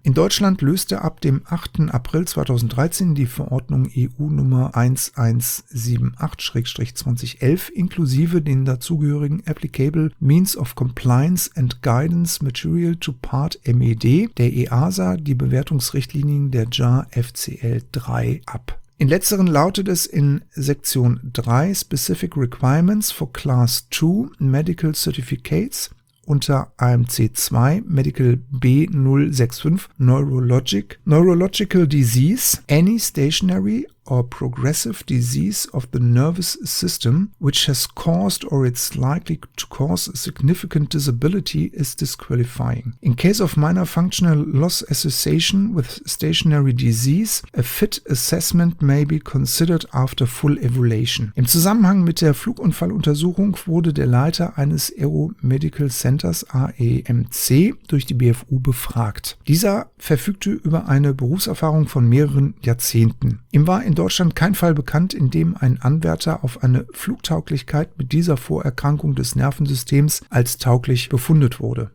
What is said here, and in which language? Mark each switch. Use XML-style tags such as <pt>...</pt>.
<de>In Deutschland löste ab dem 8. April 2013 die Verordnung EU Nummer 1178/2011 inklusive den dazugehörigen Applicable Means of Compliance and Guidance Material to Part MED der EASA die Bewertungsrichtlinien der JAR FCL 3 ab. In letzteren lautet es in Sektion 3</de> <en>Specific Requirements for Class 2 Medical Certificates unter AMC 2 Medical B065 Neurological Disease Any Stationary or Progressive Disease of the Nervous System which has caused or is likely to cause a significant disability is disqualifying. In case of minor functional loss association with stationary disease, a fit assessment may be considered after full evaluation.</en> <de>Im Zusammenhang mit der Flugunfalluntersuchung wurde der Leiter eines Aero Medical Centers AEMC durch die BFU befragt. Dieser verfügte über eine Berufserfahrung von mehreren Jahrzehnten. Ihm war in Deutschland kein Fall bekannt, in dem ein Anwärter auf eine Flugtauglichkeit mit dieser Vorerkrankung des Nervensystems als tauglich befunden wurde.</de>